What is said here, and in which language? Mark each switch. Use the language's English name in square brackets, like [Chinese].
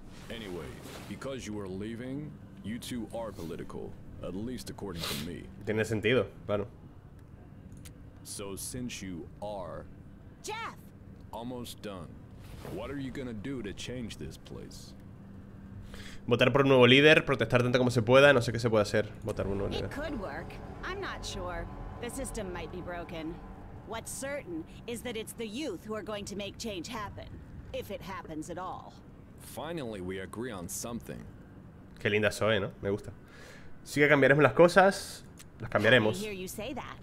[English] Anyway, because you are leaving, you two are political, at least according to me. [Spanish] Tiene sentido, claro. [English] So since you are Jeff, almost done. What are you gonna do to change this place? [Spanish] Votar por un nuevo líder, protestar tanto como se pueda, no sé qué se puede hacer. Votar por un nuevo líder. [English] It could work. I'm not sure. The system might be broken. What's certain is that it's the youth who are going to make change happen, if it happens at all. Finally, we agree on something. [Spanish] Qué linda soy, ¿no? Me gusta. Sí que cambiaremos las cosas, las cambiaremos. [English] I hear you say that.